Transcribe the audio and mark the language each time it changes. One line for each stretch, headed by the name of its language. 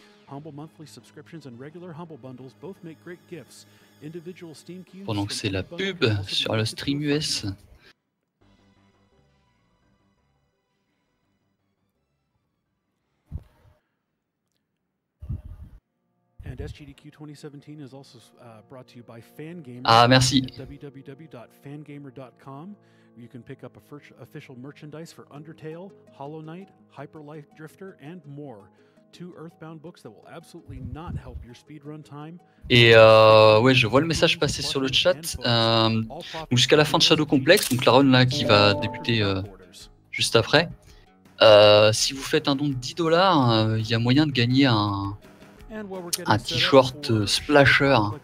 English: Humble monthly subscriptions and regular Humble bundles both make great gifts. Individual Steam cubes.
French: Pendant que c'est la pub sur le stream US.
English: And SGDQ 2017 is also brought to you by Fangamer.
French: Ah merci.
English: www.fangamer.com. You can pick up a official merchandise for Undertale, Hollow Knight, Hyper Life Drifter and more. Two Earthbound books that will absolutely not help your speedrun time.
French: Et ouais, je vois le message passer sur le chat. Jusqu'à la fin de Shadow Complex, donc la run là qui va débuter juste après. Si vous faites un don de 10$, il y a moyen de gagner un t-shirt splasher.